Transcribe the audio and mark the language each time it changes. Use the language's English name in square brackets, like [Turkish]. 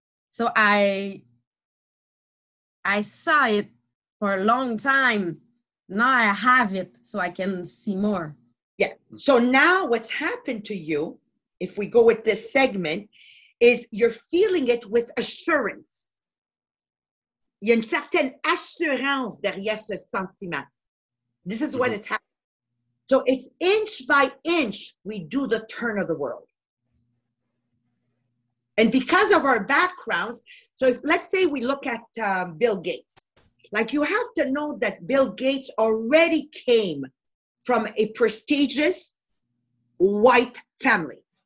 [English] So I saw it for a long time. Now I have it so I can see more. Yeah. So now what's happened to you, if we go with this segment, is you're feeling it with assurance. [French] Il y a une certaine assurance derrière ce sentiment. [English] This is what it's happening. So it's inch by inch, we do the turn of the world. And because of our backgrounds, so if, let's say we look at Bill Gates. Like, you have to know that Bill Gates already came from a prestigious white family.